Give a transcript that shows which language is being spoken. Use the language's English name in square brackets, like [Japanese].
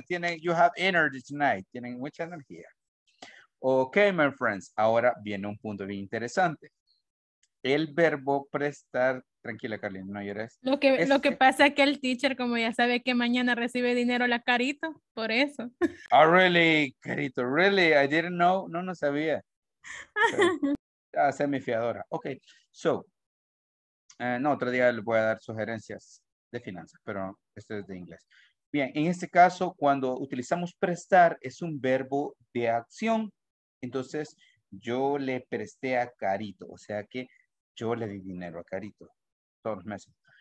[Spanish] Tienen, [English] you have energy tonight, [Spanish] tienen mucha energía. [English] Ok, my friends, [Spanish] ahora viene un punto bien interesante. El verbo prestar, tranquila, Carly, no llores. Lo que pasa es que el teacher, como ya sabe que mañana recibe dinero la Carito, por eso. [English] Oh, really, Carito, really, I didn't know, [Spanish] no sabía. Pero, a ser mi fiadora. Ok, so, no, otro día les voy a dar sugerencias de finanzas, pero esto es de inglés. Bien, en este caso, cuando utilizamos prestar, es un verbo de acción. Entonces, yo le presté a Carito, o sea que yo le di dinero a Carito todos los meses.